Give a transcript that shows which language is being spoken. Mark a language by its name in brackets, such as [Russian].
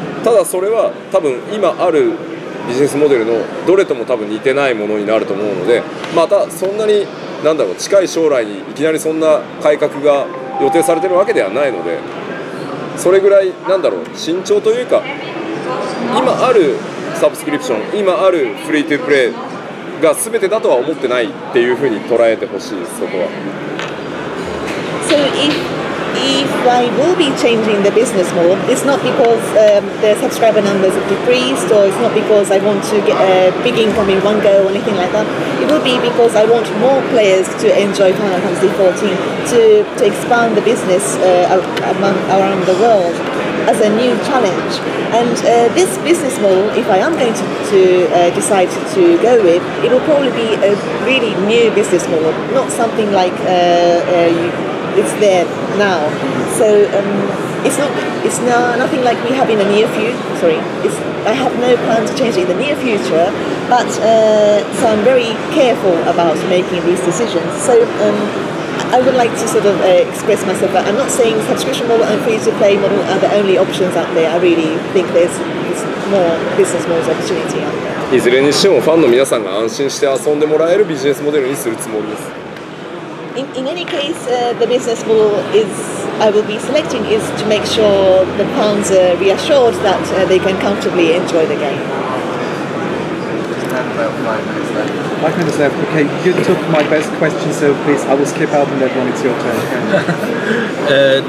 [Japanese] ただそれは多分今あるビジネスモデルのどれとも多分似てないものになると思うのでまたそんなに何だろう近い将来にいきなりそんな改革が予定されているわけではないのでそれぐらい何だろう慎重というか今あるサブスクリプション、今あるフリートゥープレイが全てだとは思ってないっていうふうに捉えてほしいそこは。 [English] So if I will be changing the business model, it's not because the subscriber numbers have decreased or it's not because I want to get a big income in one go or anything like that. It will be because I want more players to enjoy Final Fantasy XIV to expand the business around the world. As a new challenge, and this business model, if I am going to decide to go with, it will probably be a really new business model, not something like it's there now. So it's nothing like we have in the near future. Sorry, I have no plan to change it in the near future, but so I'm very careful about making these decisions. So. I would like to sort of express myself that I'm not saying subscription model and free-to-play model are the only options out there. I really think there's more business models opportunity out there. [Japanese] いずれにしてもファンの皆さんが安心して遊んでもらえるビジネスモデルにするつもりです。 [English] In any case, the business model I will be selecting is to make sure the fans are reassured that they can comfortably enjoy the game. 5 minutes left. Okay, you took my best question, so please, I will skip out on that one. It's your turn.